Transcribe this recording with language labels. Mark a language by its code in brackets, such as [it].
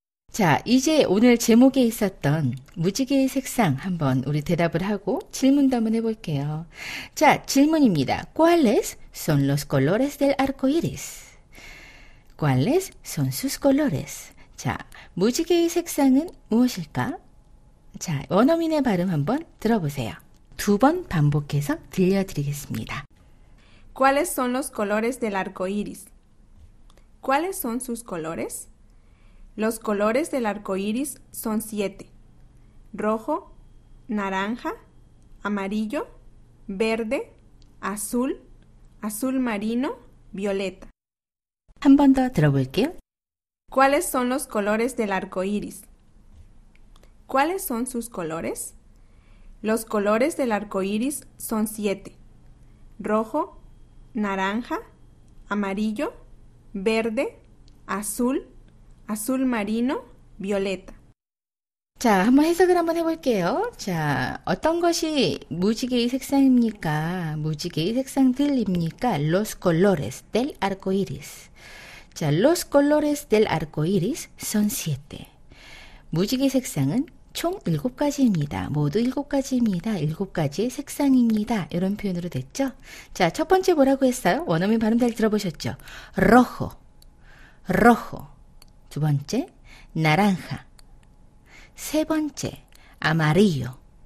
[ko] 자, 이제 오늘 제목에 있었던 무지개의 색상 한번 우리 대답을 하고 질문도 한번 해볼게요. 자, 질문입니다. [es] ¿Cuáles son los colores del arco iris? ¿Cuáles son sus colores? [ko] 자, 무지개의 색상은 무엇일까? 자, 원어민의 발음 한번 들어보세요. 두 번 반복해서 들려드리겠습니다. [es] ¿Cuáles son los colores del arco iris? ¿Cuáles son sus colores? Los colores del arco iris son 7. Rojo, naranja, amarillo, verde, azul, azul marino, violeta. [ko] 한 번 더 들어볼게요. ¿Cuáles son los colores del arco iris? ¿Cuáles son sus colores? Los colores del arco iris son 7. Rojo, naranja, amarillo, verde, azul, azul marino, violeta. 자, 한번 해석을 한번 해볼게요. 자, 어떤 것이 무지개의 색상입니까? 무지개의 색상들입니까? [es] Los colores del arco iris. 자, los colores del arco iris son 7. [ko] 무지개 색상은 총 7가지입니다. 모두 7가지입니다. 7가지의 색상입니다. 이런 표현으로 됐죠? 자, 첫 번째 뭐라고 했어요? 원어민 발음 잘 들어보셨죠? Rojo. Rojo. 두 번째, naranja. 세 번째, amarillo.